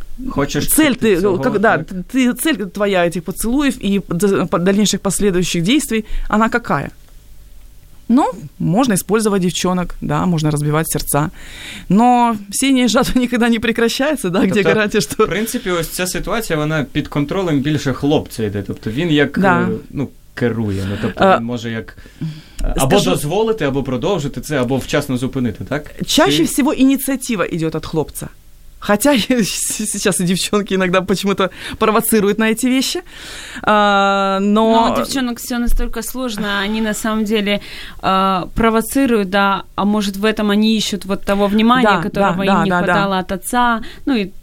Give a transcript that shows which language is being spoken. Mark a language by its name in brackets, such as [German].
[Russian] хочешь цель ты, цель, когда, ты, цель твоя этих поцелуев и дальнейших последующих действий, она какая? Ну, можно использовать девчонок, да, можно разбивать сердца. Но синяя жатва никогда не прекращается, да, где гарантия, что... [Ukrainian] В принципе, ось ця ситуація, вона під контролем більше хлопця йде. Тобто він як, да. Ну, керує. Ну, тобто він може як або скажу, дозволити, або продовжити це, або вчасно зупинити, так? [Russian] Чаще всего [Ukrainian] ініціатива йде від хлопця. [Russian] Хотя сейчас и девчонки иногда почему-то провоцируют на эти вещи, но... Но у девчонок все настолько сложно, они на самом деле провоцируют, да, а может в этом они ищут вот того внимания, да, которого да, им да, не да, хватало да. от отца, ну и